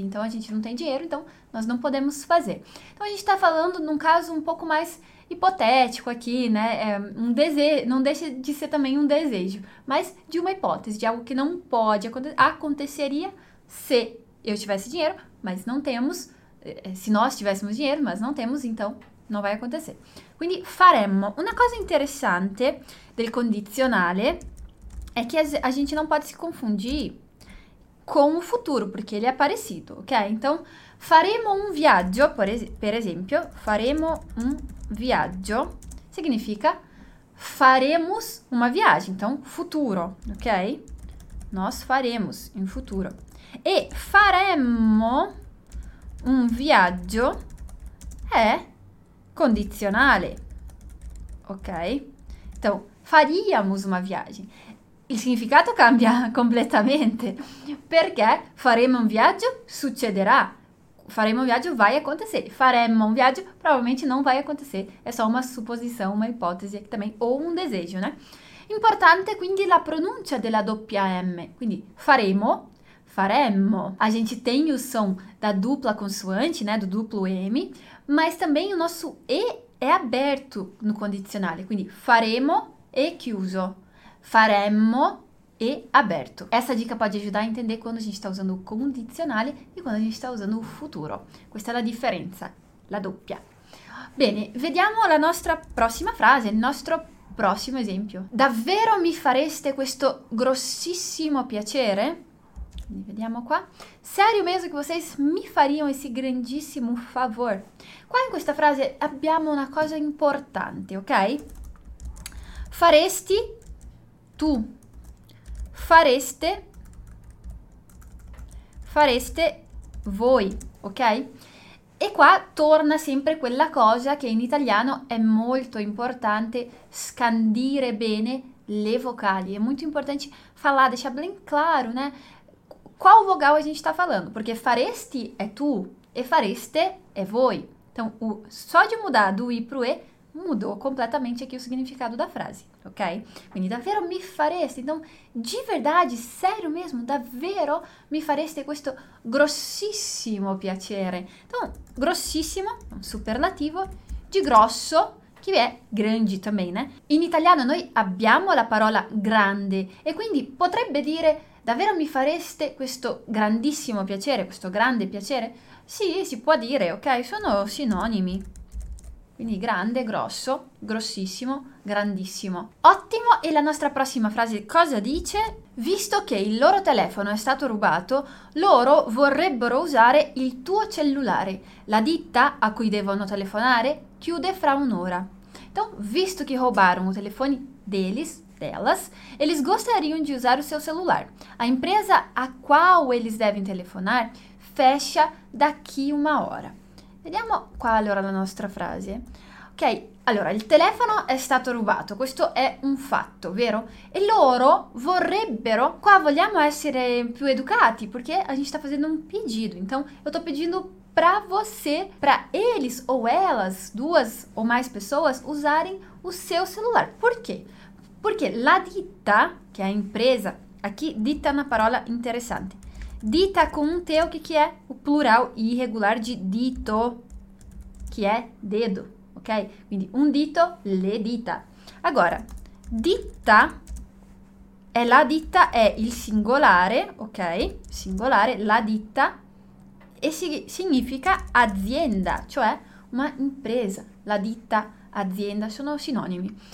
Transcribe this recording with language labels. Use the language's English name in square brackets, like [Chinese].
[Portuguese] Então, a gente não tem dinheiro, então nós não podemos fazer. Então, a gente está falando num caso um pouco mais hipotético aqui, né? É um desejo, não deixa de ser também um desejo, mas de uma hipótese, de algo que não pode acontecer. Aconteceria se eu tivesse dinheiro, mas não temos. Se nós tivéssemos dinheiro, mas não temos, então [Italian] non va a [Portuguese] acontecer. [Italian] Quindi faremmo. Una cosa interessante del condizionale è che [Portuguese] a gente [Italian] non può si confondere con il futuro, perché [Portuguese] ele è parecido, [Italian] ok? Então, faremo un viaggio, per esempio, faremo un viaggio, significa [Portuguese] faremos una viagem, então futuro, [Italian] ok? [Portuguese] Nós faremos [Italian] in futuro. E faremmo un viaggio è condizionale, ok? [Portuguese] Então, faríamos uma viagem. [Italian] Il significato cambia completamente, perché faremo un viaggio succederà. Faremo un viaggio [Portuguese] vai acontecer. [Italian] Faremo un viaggio probabilmente non vai acontecer. È solo una supposizione, una ipotesi che [Portuguese] também, [Italian] o un desiderio, né? Importante quindi la pronuncia della doppia M. Quindi faremo, faremmo. [Portuguese] A gente tem o som da dupla consoante, né, do duplo M, mas também o nosso E é aberto no condizionale, [Italian] quindi faremo e chiuso. [Portuguese] Faremmo e aberto. Essa dica pode ajudar a entender quando a gente está usando o condizionale e quando a gente está usando o futuro. [Italian] Questa è la differenza, la doppia. Bene, vediamo la nostra prossima frase, il nostro prossimo esempio. Davvero mi fareste questo grossissimo piacere? Vediamo qua. [Portuguese] Sério mesmo que vocês me fariam esse grandíssimo favor? [Italian] Qua in questa frase abbiamo una cosa importante, ok? Faresti, tu, fareste, fareste voi, ok? E qua torna sempre quella cosa che in italiano è molto importante scandire bene le vocali. È molto importante [Portuguese] falare, deixar ben claro, né? Qual vogal a gente tá falando? Porque faresti é tu e fareste é voi. Então, o, só de mudar do i pro e, mudou completamente aqui o significado da frase, ok? [Italian] Quindi, davvero mi fareste? [Portuguese] Então, de verdade, sério mesmo, [Italian] davvero mi fareste questo grossissimo piacere? [Portuguese] Então, grossissimo, um superlativo, [Italian] di grosso, che è grande [Portuguese] também, né? [Italian] In italiano noi abbiamo la parola grande e quindi potrebbe dire davvero mi fareste questo grandissimo piacere, questo grande piacere? Sì, si può dire, ok? Sono sinonimi. Quindi grande, grosso, grossissimo, grandissimo. Ottimo! E la nostra prossima frase cosa dice? Visto che il loro telefono è stato rubato, loro vorrebbero usare il tuo cellulare. La ditta a cui devono telefonare chiude fra un'ora. [Portuguese] Então, [Italian] visto che rubarono i telefoni [Portuguese] deles, delas, eles gostariam de usar o seu celular. A empresa a qual eles devem telefonar fecha daqui uma hora. [Italian] Vediamo qua allora la nostra frase. Ok, allora, il telefono è stato rubato, questo è un fatto, vero? E loro vorrebbero, qua vogliamo essere più educati, perché [Portuguese] a gente sta facendo un pedido, então eu tô pedindo pra você, pra eles ou elas, duas ou mais pessoas, usarem o seu celular. Por quê? Porque la ditta, que é a empresa, aqui ditta é uma parola interessante. Dita com um T, o que, que é? O plural irregular de dito, que é dedo, ok? [Italian] Quindi, un dito, le dita. [Portuguese] Agora, ditta é la ditta, é il singolare, ok? [Italian] Singolare, la ditta, e significa azienda, cioè [Portuguese] uma empresa. [Italian] La ditta, azienda, sono sinonimi.